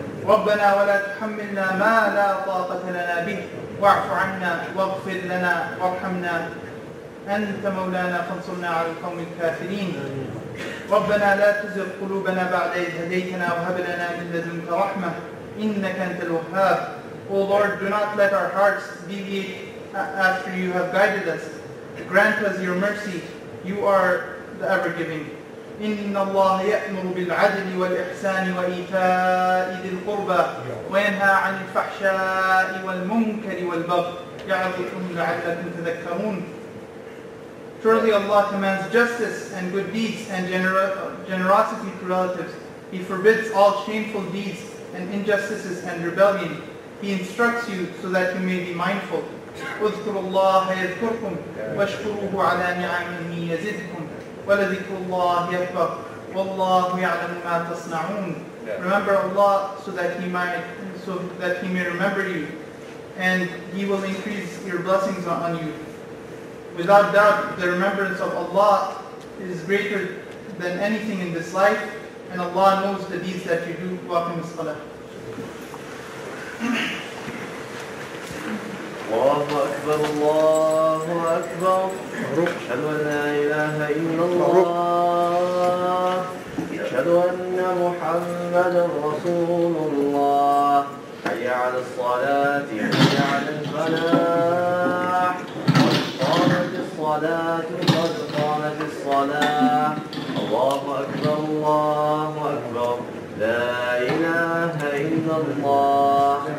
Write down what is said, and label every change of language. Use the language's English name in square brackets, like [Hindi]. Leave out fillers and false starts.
[Arabic] ربنا ولا تحملنا ما لا طاقة لنا به. واعف عنا واغفر لنا وارحمنا. أنت مولانا فانصرنا على القوم الكافرين. ربنا لا تزغ قلوبنا بعد إذ هديتنا وهب لنا من لدنك رحمة إنك أنت الوهاب. [English] O Lord, do not let our hearts deviate after You have guided us. Grant us Your mercy. You are the ever-giving. [Arabic] إن الله يأمر بالعدل والإحسان وإيتاء ذي القربى وينهى عن الفحشاء والمنكر والبغي يعظكم لعلكم تذكرون. [English] Surely Allah commands justice and good deeds and generosity to relatives. He forbids all shameful deeds and injustices and rebellion. He instructs you so that you may be mindful. [Arabic] اذكروا الله يذكركم واشكروه على نعمه يزدكم ولذكر الله أكبر والله يعلم ما تصنعون. [English] Remember Allah so that He might so that he may remember you, and he will increase your blessings on you. Without doubt, the remembrance of Allah is greater than anything in this life, and Allah knows the deeds that you do. [Arabic] Waqim as-salah. الله أكبر الله أكبر أشهد أن لا إله إلا الله أشهد أن محمدا رسول الله حي على الصلاة حي على الفلاح قامت الصلاة قد قامت الصلاة الله أكبر الله أكبر لا إله إلا الله